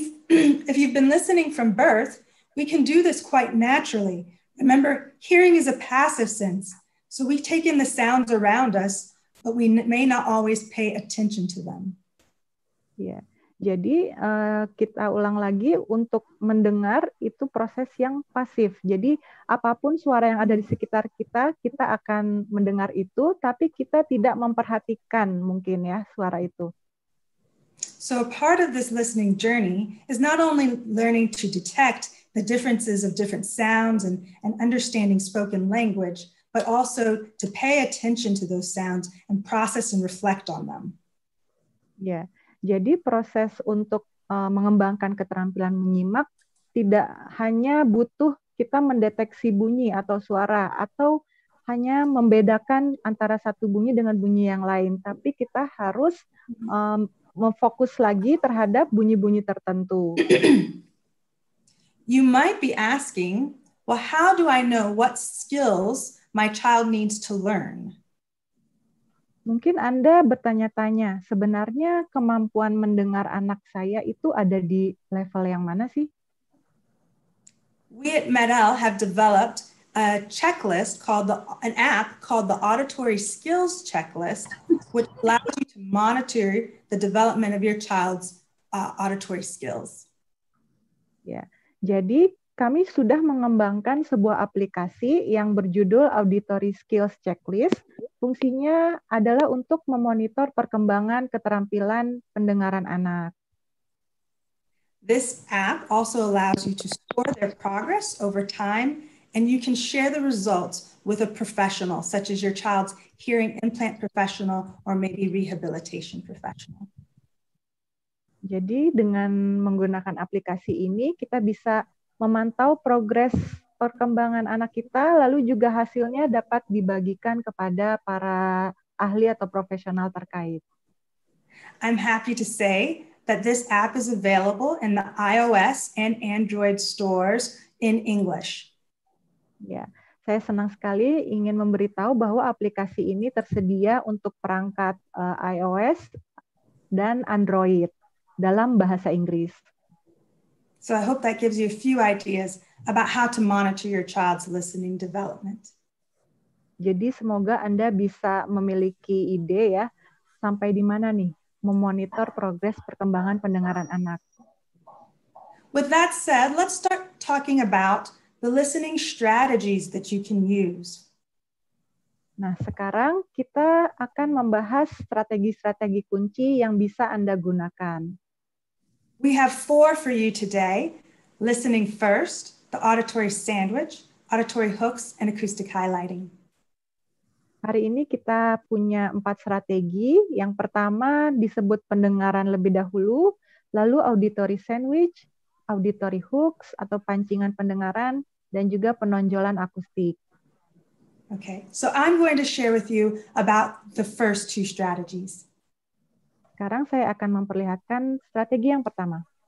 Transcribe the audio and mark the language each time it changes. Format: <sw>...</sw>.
<en>If you've been listening from birth, we can do this quite naturally. Remember, hearing is a passive sense, so we take in the sounds around us, but we may not always pay attention to them. Yeah.</en> <id>Jadi kita ulang lagi, untuk mendengar itu proses yang pasif. Jadi apapun suara yang ada di sekitar kita, kita akan mendengar itu, tapi kita tidak memperhatikan mungkin ya suara itu.</id> <en>So a part of this listening journey is not only learning to detect the differences of different sounds and understanding spoken language, but also to pay attention to those sounds and process and reflect on them.</en> <id>Yeah. Jadi proses untuk mengembangkan keterampilan menyimak tidak hanya butuh kita mendeteksi bunyi atau suara atau hanya membedakan antara satu bunyi dengan bunyi yang lain, tapi kita harus memfokus lagi terhadap bunyi-bunyi tertentu.</id> <en>You might be asking, well, how do I know what skills my child needs to learn?</en> <id>Mungkin Anda bertanya-tanya, sebenarnya kemampuan mendengar anak saya itu ada di level yang mana sih?</id> <en>We at Medel have developed a checklist called an app called the Auditory Skills Checklist, which allows you to monitor the development of your child's auditory skills. Yeah.</en> <id>Jadi kami sudah mengembangkan sebuah aplikasi yang berjudul Auditory Skills Checklist. Fungsinya adalah untuk memonitor perkembangan keterampilan pendengaran anak.</id> <en>This app also allows you to score their progress over time, and you can share the results with a professional, such as your child's hearing implant professional or maybe rehabilitation professional.</en> <id>Jadi dengan menggunakan aplikasi ini, kita bisa memantau progres perkembangan anak kita, lalu juga hasilnya dapat dibagikan kepada para ahli atau profesional terkait.</id> <en>I'm happy to say that this app is available in the iOS and Android stores in English.</en> <id>Ya, saya senang sekali ingin memberitahu bahwa aplikasi ini tersedia untuk perangkat iOS dan Android dalam bahasa Inggris.</id> <en>So I hope that gives you a few ideas about how to monitor your child's listening development.</en> <id>Jadi semoga Anda bisa memiliki ide ya, sampai di mana nih memonitor progres perkembangan pendengaran anak.</id> <en>With that said, let's start talking about the listening strategies that you can use.</en> <id>Nah, sekarang kita akan membahas strategi-strategi kunci yang bisa Anda gunakan.</id> <en>We have four for you today: listening first, the auditory sandwich, auditory hooks, and acoustic highlighting.</en> <id>Hari ini kita punya empat strategi. Yang pertama disebut pendengaran lebih dahulu, lalu auditory sandwich, auditory hooks atau pancingan pendengaran, dan juga penonjolan akustik.</id> <en>Okay, so I'm going to share with you about the first two strategies.</en> <id>Sekarang saya akan memperlihatkan strategi yang pertama.</id>